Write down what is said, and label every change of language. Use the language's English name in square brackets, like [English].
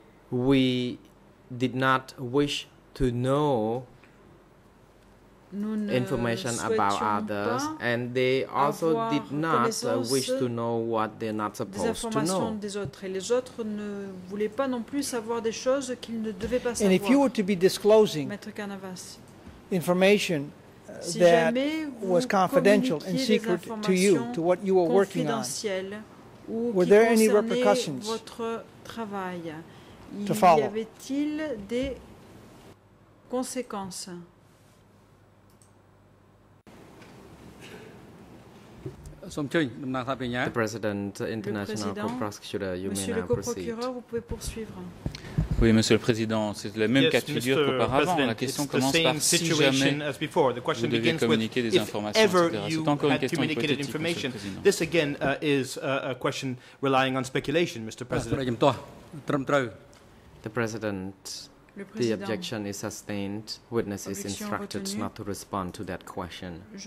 [English] We did not wish to know information about others, and they also did not wish to know what they're not supposed to know. [French] Des autres, et les autres ne voulaient pas non plus savoir des choses qu'ils ne devaient pas savoir. [English] And if you were to be disclosing information that was confidential and secret to you, to what you were working on, were there any repercussions [French] votre travail? [English] To follow? [French] Y avait-il des conséquences? [English] The President, International Prosecutor, you [French] Monsieur [English] may now proceed. [French] Monsieur le Co-procureur, vous pouvez poursuivre. Oui, Monsieur le Président, c'est la même cas de figure qu'auparavant. La question commence par si jamais vous deviez communiquer des informations, etc. C'est encore une question hypothétique, Monsieur le Président. [English] This again is a question relying on speculation, Mr. President. The President. The objection is sustained. Witness is instructed not to respond to that question.